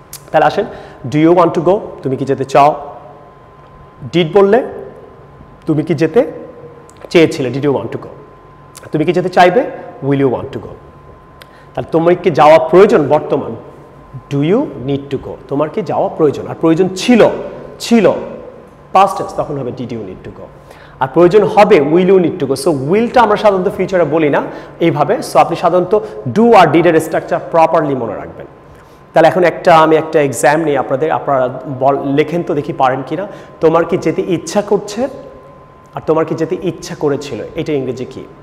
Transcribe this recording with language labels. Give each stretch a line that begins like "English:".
Bangla: তাহলে আসেন,
English: do you want to go
Bangla: তুমি কি যেতে চাও, ডিড বললে তুমি কি যেতে চেয়েছিলে,
English: did you want to go,
Bangla: তুমি কি যেতে চাইবে,
English: Will you want to go.
Bangla: তাহলে তোমার কি যাওয়া প্রয়োজন বর্তমান,
English: Do you need to go?
Bangla: তোমার কি যাওয়া প্রয়োজন? আর প্রয়োজন ছিল, ছিল past tense, তখন হবে
English: did you need to go?
Bangla: আর প্রয়োজন হবে
English: will you need to go?
Bangla: So will টা আমরা সাধারণত ফিউচারে বলি না এইভাবে, সো আপনি সাধারণত do আর did এর স্ট্রাকচার প্রপারলি মনে রাখবেন। তাহলে এখন একটা আমি একটা এক্সাম নিই আপনাদের, আপনারা লেখেন তো দেখি পারেন কি না। তোমার কি যেতে ইচ্ছা করছে আর তোমার কি যেতে ইচ্ছা করেছিল, এটা ইংরেজি কি?